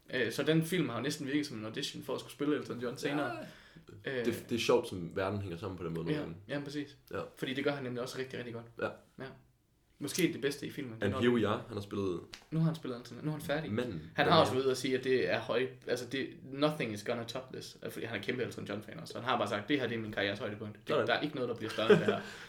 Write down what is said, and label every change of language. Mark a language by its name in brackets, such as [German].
[Danish] Så den film har jo næsten virket som en audition for at skulle spille Elton John senere. Ja. Det er sjovt, som verden hænger sammen på den måde. Ja, præcis. Ja. Fordi det gør han nemlig også rigtig, rigtig godt. Ja. Ja. Måske det bedste i filmen. [English] And here we are. [Danish] Han har spillet... Nu har han spillet Elton. Nu er han færdig. Men, han har også været ude og sige, at det er høj... [English] Altså, nothing is gonna top this. [Danish] Fordi han er kæmpe Elton John-fan også. Han har bare sagt, det her det er min karrieres højdepunkt. Der er ikke noget, der bliver større end det her.